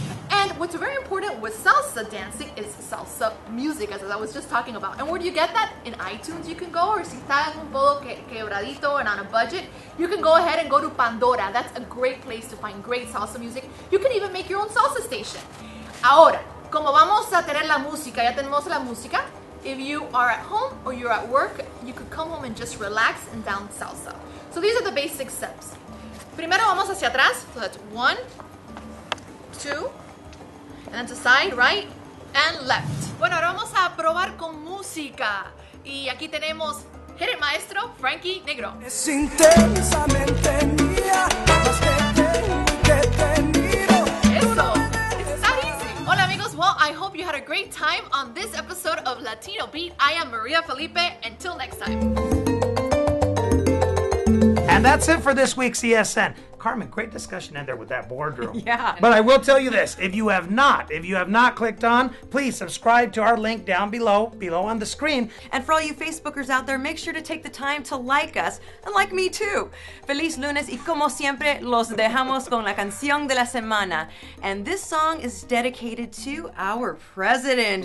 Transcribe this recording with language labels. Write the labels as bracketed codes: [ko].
[en] And what's very important with salsa dancing is salsa music, as I was just talking about. And where do you get that? In iTunes you can go, or [es] si está en un polo quebradito [en] and on a budget, you can go ahead and go to Pandora. That's a great place to find great salsa music. You can even make your own salsa station. [es] Ahora, como vamos a tener la música, ya tenemos la música. [en] If you are at home or you're at work, you could come home and just relax and down salsa. So these are the basic steps. [es] Primero vamos hacia atrás, [en] so that's one, two, and then to side, right, and left. [es] Bueno, ahora vamos a probar con música. Y aquí tenemos, [en] hit it, [es] maestro, Frankie Negro. Es intensamente mía, más que tengo y que te miro. Eso, [en] it's that easy. [es] Hola amigos, [en] Well, I hope you had a great time on this episode of Latino Beat. I am Maria Felipe. Until next time. And that's it for this week's ESN. Carmen, great discussion in there with that boardroom. Yeah. But I will tell you this. If you have not clicked on, please subscribe to our link down below on the screen. And for all you Facebookers out there, make sure to take the time to like us, and like me too. [es] Feliz lunes y como siempre, los dejamos con la canción de la semana. [en] And this song is dedicated to our president,